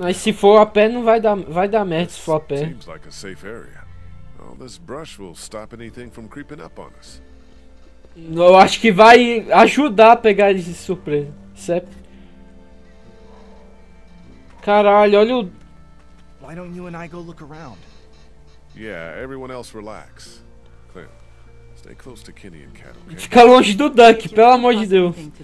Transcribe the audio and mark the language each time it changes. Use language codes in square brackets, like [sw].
[pt] Mas se for a pé, não vai dar. Vai dar merda se for a pé. [en] Seems like a safe area. All this brush will stop anything from creeping up on us. [pt] Eu acho que vai ajudar a pegar eles de surpresa. Certo? Caralho, olha o... [en] Why don't you and I go look around? Yeah, everyone else relax. Clint, stay close to Kenny and Cat, okay? [pt] Fica longe do Duck, pelo amor de Deus.